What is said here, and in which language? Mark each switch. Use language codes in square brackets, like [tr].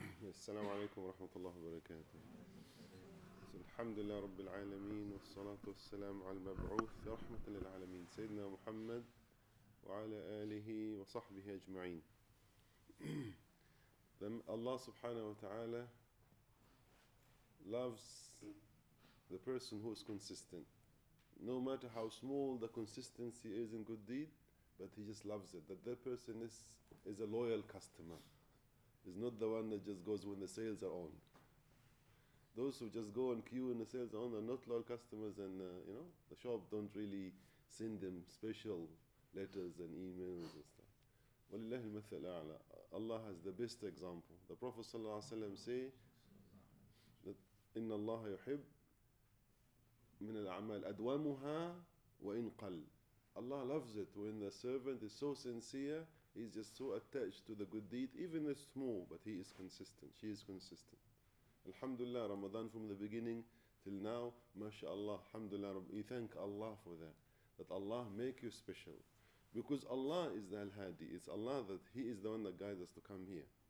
[ar] السلام عليكم ورحمة الله وبركاته. الحمد لله رب العالمين والصلاة والسلام على المبعوث رحمة للعالمين سيدنا محمد وعلى آله وصحبه أجمعين. [en] Allah subhanahu wa ta'ala loves the person who is consistent. No matter how small the consistency is in good deed, but he just loves it. That person is a loyal customer. He's not the one that just goes when the sales are on. Those who just go and queue when the sales are on are not loyal customers, and you know, the shop don't really send them special letters and emails and stuff. [ar] وَلِلَّهِ الْمَثَلَ الْأَعْلَى. [en] Allah has the best example. The Prophet صلى الله عليه وسلم say that [ar] إِنَّ اللَّهَ يُحِبْ مِنَ الْأَعْمَالِ أَدْوَمُهَا وَإِنْ قَلْ. [en] Allah loves it when the servant is so sincere, he's just so attached to the good deed, even the small, but he is consistent, she is consistent. Alhamdulillah, Ramadan from the beginning till now, mashallah, alhamdulillah, you thank Allah for that. That Allah make you special. Because Allah is the Al-Hadi, it's Allah that He is the one that guides us to come here.